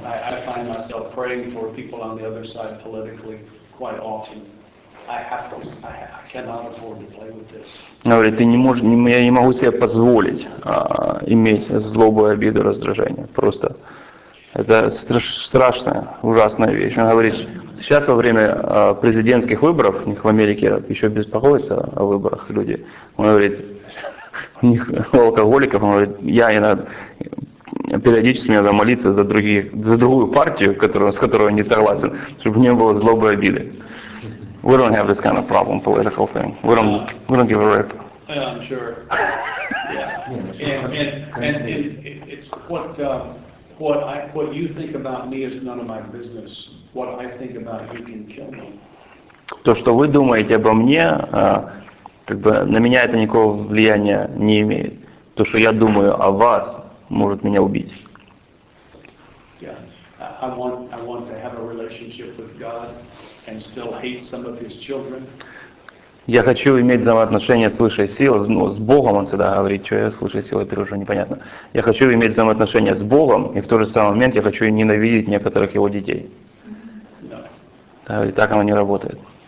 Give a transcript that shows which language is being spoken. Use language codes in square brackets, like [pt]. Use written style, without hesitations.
[en] I find myself praying for people on the other side politically quite often. I cannot afford to play with this. [ru] Он говорит, я не могу себе позволить иметь злобу, обиду, раздражение. Просто это страшная, ужасная вещь. Он говорит, сейчас во время президентских выборов, у них в Америке еще беспокоятся о выборах люди. Он говорит, у них алкоголиков, он говорит, я иногда. Периодически мне надо молиться за другие, за другую партию, которую, с которой он не согласен, чтобы не было злобы и обиды. [en] We don't have this kind of problem, political thing. We don't give a rip. I'm sure. Yeah. And it's what you think about me is none of my business. What I think about you can kill me. [ru] То, что вы думаете обо мне, как бы на меня это никакого влияния не имеет. То, что я думаю о вас. Может меня убить. [en] Yeah. I want to have a relationship with God and still hate some of his children. [ru] Я хочу иметь взаимоотношения с высшей силой, ну, с Богом, он всегда говорит, что я с высшей силой, это уже непонятно. Я хочу иметь взаимоотношения с Богом, и в тот же самый момент я хочу ненавидеть некоторых его детей. [en] No. [ru] Говорит, так оно не работает.